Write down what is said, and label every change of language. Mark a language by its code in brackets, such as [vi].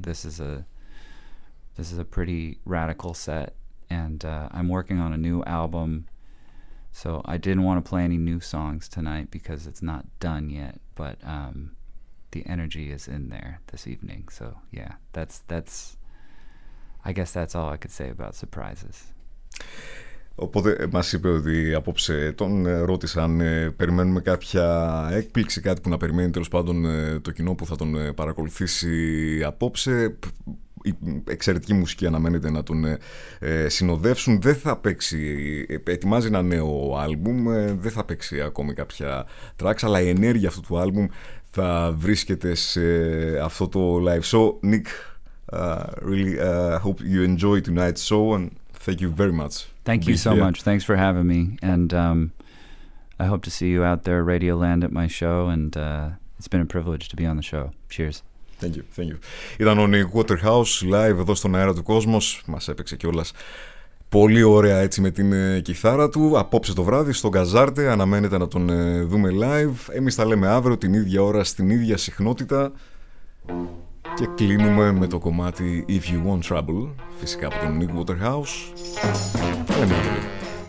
[en] this is a pretty radical set, and I'm working on a new album, so I didn't want to play any new songs tonight because it's not done yet, but the energy is in there this evening, so yeah, that's I guess that's all I could say about surprises. [el] Οπότε μας είπε ότι απόψε τον ρώτησαν, περιμένουμε κάποια έκπληξη, κάτι που να περιμένει τέλος πάντων το κοινό που θα τον παρακολουθήσει απόψε. Η εξαιρετική μουσική αναμένεται να τον συνοδεύσουν. Δεν θα παίξει, ετοιμάζει ένα νέο άλμπουμ, δεν θα παίξει ακόμη κάποια tracks, αλλά η ενέργεια αυτού του άλμπουμ θα βρίσκεται σε αυτό το live show. [en] Nick, really hope you enjoy tonight's show, and thank you very much. Thank you so much. Thanks for having me, and I hope to see you out there, Radio Land, at my show. And it's been a privilege to be on the show. Cheers. Thank you. Thank you. [el] Ήταν ο Nick Waterhouse live εδώ στον αέρα του Κόσμος. Μας έπαιξε κιόλας πολύ ωραία έτσι με την κιθάρα του. Απόψε το βράδυ στο Gazarte αναμένεται να τον δούμε live. Εμείς τα λέμε αύριο την ίδια ώρα στην ίδια συχνότητα. Και κλείνουμε με το κομμάτι If You Want Trouble, φυσικά από τον Nick Waterhouse.